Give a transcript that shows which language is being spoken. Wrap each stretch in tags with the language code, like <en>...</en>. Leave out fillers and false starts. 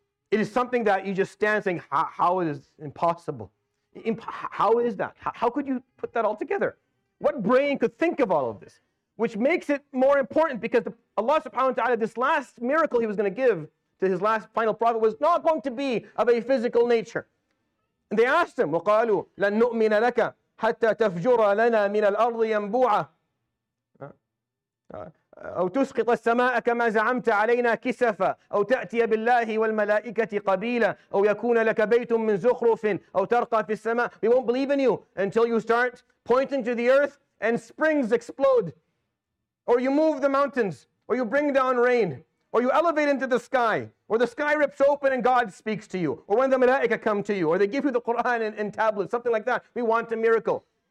<en>It is something that you just stand saying, how is it impossible? How is that? How could you put that all together? What brain could think of all of this? Which makes it more important, because Allah subhanahu wa ta'ala, this last miracle he was going to give to his last final prophet was not going to be of a physical nature. And they asked him,</en> <ar>وَقَالُوا لَن نُؤْمِنَ لَكَ حَتَّى تَفْجُرَ لَنَا مِنَ الْأَرْضِ يَنْبُوعًا أو تسقط السماء كما زعمت علينا كسفا أو تأتي بالله والملائكة قبيلا أو يكون لك بيت من زخرف أو ترقى في السماء.</ar> <en>We won't believe in you until you start pointing to the earth and springs explode, or you move the mountains, or you bring down rain, or you elevate into the sky, or the sky rips open and God speaks to you, or when the malaika come to you, or they give you the Quran and tablets, something like that. We want a miracle.</en>